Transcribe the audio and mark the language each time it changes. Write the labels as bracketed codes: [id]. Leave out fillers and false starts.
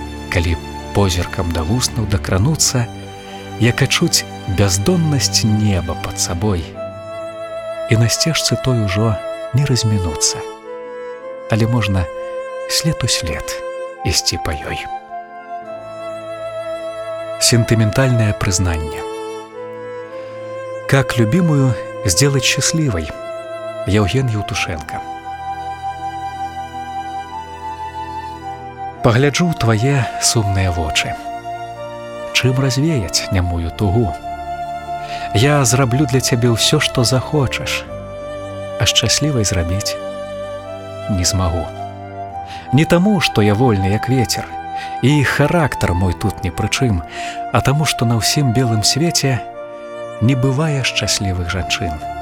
[be] Калі позіркам да вуснаў дакрануцца, як адчуць бяздоннасць неба пад сабой, і на сцежцы той ужо не размінуцца, але можна след у след ісці па ёй. [ru] Сентиментальное признание. «Как любимую сделать счастливой» — Евген Евтушенко. [be] «Погляджу твои сумные вочи, чым развеяць нямую тугу. Я зраблю для цябе ўсё, што захочаш, а шчаслівай зрабіць не змагу. Не таму, што я вольны, як вецер, і характар мой тут ні пры чым, а таму, што на ўсім белым свеце не бывае шчаслівых жанчын.